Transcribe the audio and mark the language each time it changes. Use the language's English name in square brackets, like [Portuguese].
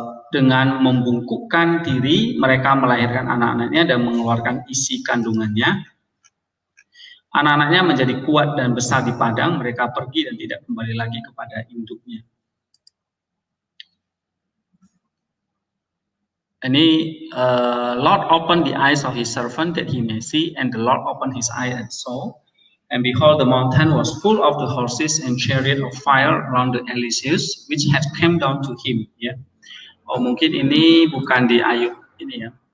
[Indonesian] Dengan membungkukkan diri, mereka melahirkan anak-anaknya dan mengeluarkan isi kandungannya. Anak-anaknya menjadi kuat dan besar di padang, mereka pergi dan tidak kembali lagi kepada induknya. [English] Ini, Lord opened the eyes of his servant that he may see, and the Lord opened his eyes and saw. And behold, the mountain was full of the horses and chariot of fire round the Elysius, which had come down to him. [Indonesian] Ya. Oh, mungkin ini bukan di Ayub ini ya.